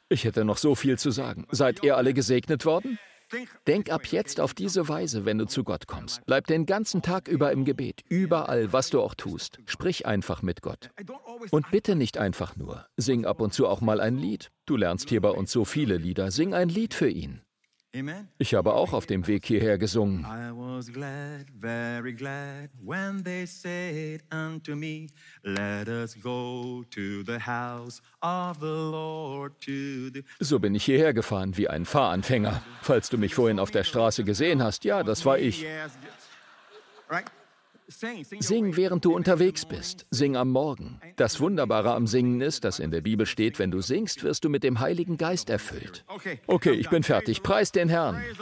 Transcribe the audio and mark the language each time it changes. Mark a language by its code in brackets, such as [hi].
[de] Ich hätte noch so viel zu sagen. Seid ihr alle gesegnet worden? Denk ab jetzt auf diese Weise, wenn du zu Gott kommst. Bleib den ganzen Tag über im Gebet, überall, was du auch tust. Sprich einfach mit Gott. Und bitte nicht einfach nur. Sing ab und zu auch mal ein Lied. Du lernst hier bei uns so viele Lieder. Sing ein Lied für ihn. Ich habe auch auf dem Weg hierher gesungen. [en] I was glad, very glad, when they said unto me, let us go to the house of the Lord to the... [de] So bin ich hierher gefahren, wie ein Fahranfänger. Falls du mich vorhin auf der Straße gesehen hast, ja, das war ich. Sing, während du unterwegs bist. Sing am Morgen. Das Wunderbare am Singen ist, dass in der Bibel steht, wenn du singst, wirst du mit dem Heiligen Geist erfüllt. Okay, ich bin fertig. Preis den Herrn.